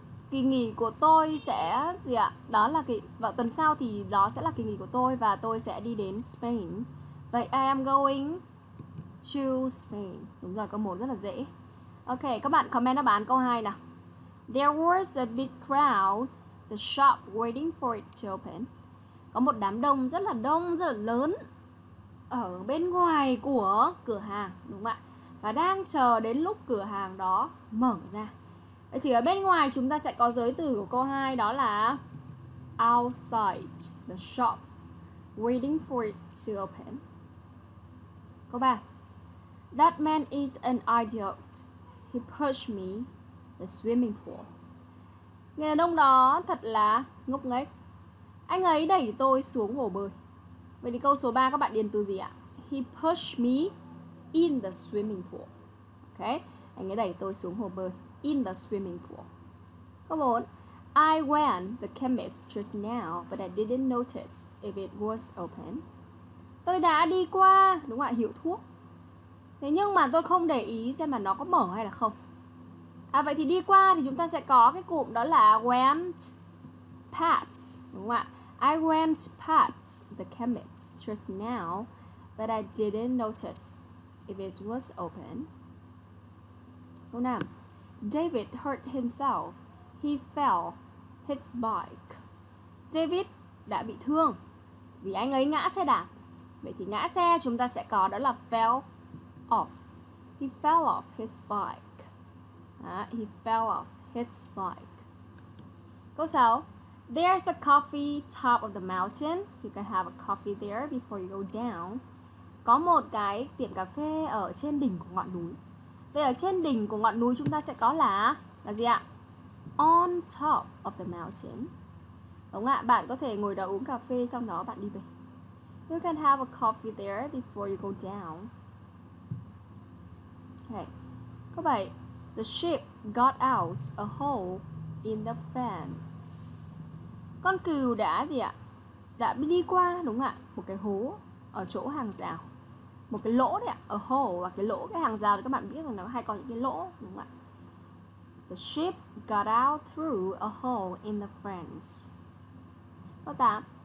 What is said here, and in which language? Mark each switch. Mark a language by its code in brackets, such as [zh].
[vi] kỳ nghỉ của tôi sẽ... gì ạ? Đó là kỳ... vào tuần sau thì đó sẽ là kỳ nghỉ của tôi và tôi sẽ đi đến Spain. Vậy, [en] I am going to Spain. [vi] Đúng rồi, câu 1 rất là dễ. Ok, các bạn comment đáp án câu 2 nào. [en] There was a big crowd, the shop waiting for it to open. [vi] Có một đám đông, rất là lớn ở bên ngoài của cửa hàng, đúng không ạ? Và đang chờ đến lúc cửa hàng đó mở ra. Vậy thì ở bên ngoài chúng ta sẽ có giới từ của câu 2 đó là [en] outside the shop waiting for it to open. [vi] Câu 3. [en] That man is an idiot. He pushed me the swimming pool. [vi] Người đàn ông đó thật là ngốc nghếch. Anh ấy đẩy tôi xuống hồ bơi. Vậy thì câu số 3 các bạn điền từ gì ạ? [en] He pushed me in the swimming pool. [vi] Ok, anh ấy đẩy tôi xuống hồ bơi. [en] In the swimming pool. [vi] Câu 4. [en] I went to the chemist just now, but I didn't notice if it was open. [vi] Tôi đã đi qua, đúng không ạ, hiệu thuốc. Thế nhưng mà tôi không để ý xem mà nó có mở hay là không. À vậy thì đi qua thì chúng ta sẽ có cái cụm đó là went past, đúng không ạ? [en] I went past the chemist just now, but I didn't notice if it was open. [vi] Câu 5. [en] David hurt himself. He fell his bike. [vi] David đã bị thương vì anh ấy ngã xe đạp. Vậy thì ngã xe chúng ta sẽ có đó là fell off. [en] He fell off his bike. He fell off his bike. [vi] Câu 6. [en] There's a coffee top of the mountain. You can have a coffee there before you go down. [vi] Có một cái tiệm cà phê ở trên đỉnh của ngọn núi. Vậy ở trên đỉnh của ngọn núi chúng ta sẽ có là gì ạ? [en] On top of the mountain. [vi] Đúng ạ, bạn có thể ngồi đó uống cà phê xong đó bạn đi về. [en] You can have a coffee there before you go down. Okay. [vi] Câu 7. [en] The ship got out a hole in the fence. [vi] Con cừu đã gì ạ? Đã đi qua, đúng không ạ? Một cái hố ở chỗ hàng rào. Một cái lỗ đấy ạ. A hole là cái lỗ. Cái hàng rào thì các bạn biết là nó hay có những cái lỗ, đúng không ạ? [en] The ship got out through a hole in the fence. [vi] Câu 8.